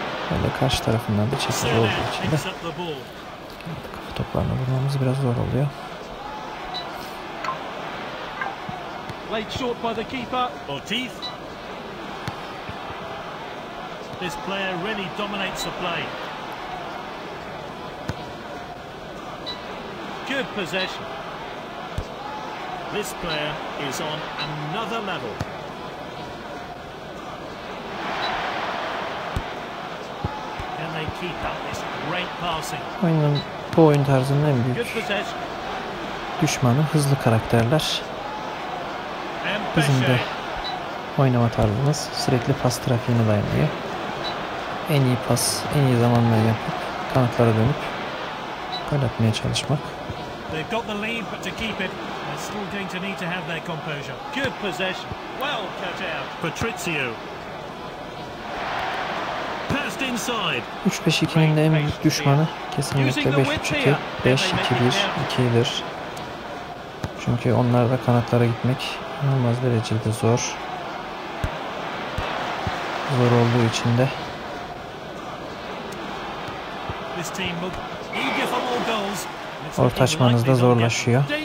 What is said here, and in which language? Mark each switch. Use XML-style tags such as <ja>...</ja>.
<tr>Böyle karşı tarafından da çekici olduğu için de kafa toplarına vurmamız biraz zor oluyor.</tr> <en>Late short by the keeper. Ortiz. This player really dominates the play. Good possession. This player is on another level. Can they keep up this great passing?</en> <tr>Oyunun, bu oyun tarzının en büyük düşmanı hızlı karakterler. Bizim de oynama tarzımız sürekli pas trafiğine dayanıyor. En iyi pas, en iyi zamanla yapıp kanatlara dönüp gol atmaya çalışmak.</tr> <en>They've got the lead, but to keep it, they're still going to need to have their composure. Good possession. Well cut out. Patrizio. Passed inside.</en> <tr>3-5-2'nin de en büyük düşmanı kesinlikle 5-3-2. 5-2-1-2'dir. Çünkü onlar da kanatlara gitmek inanılmaz derecede zor. Zor olduğu için de.</tr> <en>This team look eager for more goals.</en> <tr>Orta açmanız da zorlaşıyor.</tr>